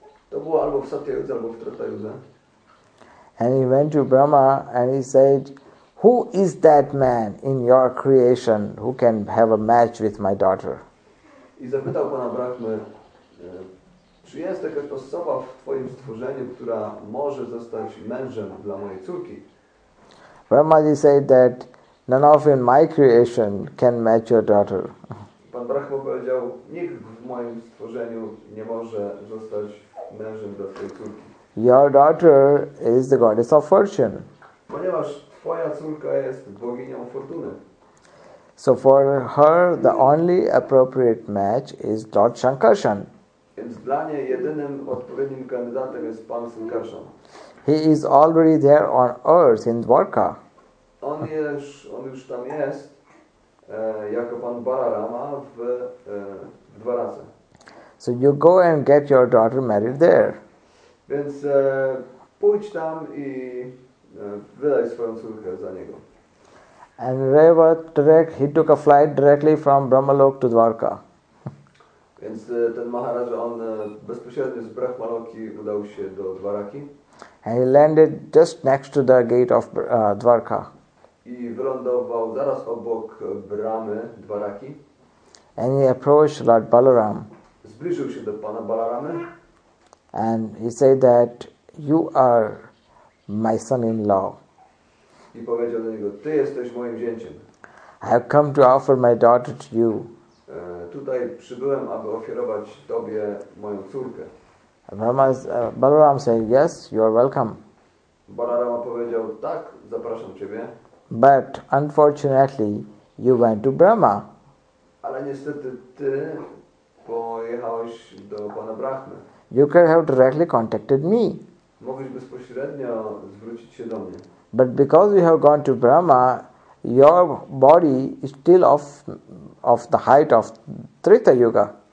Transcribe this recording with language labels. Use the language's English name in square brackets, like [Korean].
[Polish] To było albo w Satya Yuga, albo w Treta Yuga. [English] And he went to Brahma and he said, who is that man in your creation who can have a match with my daughter? [Polish] I zapytał pana Brahmy, czy jest jakaś osoba w twoim stworzeniu, która może zostać mężem dla mojej córki? [English] Brahma said that none of in my creation can match your daughter. [Polish] Pan Brahma powiedział, nikt w moim stworzeniu nie może zostać mężem dla twojej córki. [English] Your daughter is the goddess of fortune. [Polish] Ponieważ twoja córka jest boginią fortuny. [English] So for her, the only appropriate match is Lord Sankarshan. [Polish] Więc dla niej jedynym odpowiednim kandydatem jest pan Sankarshan. [English] He is already there on earth in Dwarka. [Polish] On już tam jest, jako pan Balarama w Dwarace. [English] So you go and get your daughter married there. [Polish] Więc pójdź tam i wydaj swoją córkę za niego. [English] And he took a flight directly from Brahmalok to Dwarka. [Polish] Więc ten Maharaja, on bezpośrednio z Brahmaloki udał się do Dwaraki. [English] And he landed just next to the gate of Dwarka. [Polish] I wylądował zaraz obok bramy Dwaraki. [English] And he approached Lord Balaram. [Polish] Zbliżył się do pana Balaramy. [English] And he said that you are my son-in-law. [Polish] I powiedział do niego, ty jesteś moim zięciem. [English] I have come to offer my daughter to you. [Polish] Tutaj przybyłem, aby ofiarować tobie moją córkę. [English] Balaram said, yes, you are welcome. [Polish] Balarama powiedział, tak, zapraszam ciebie. [English] But unfortunately, you went to Brahma. [Polish] Ale niestety ty pojechałeś do pana Brahmy. [English] You could have directly contacted me. [Polish] Mogłeś bezpośrednio zwrócić się do mnie. [English] But because you have gone to Brahma, your body is still of the height of Treta Yuga.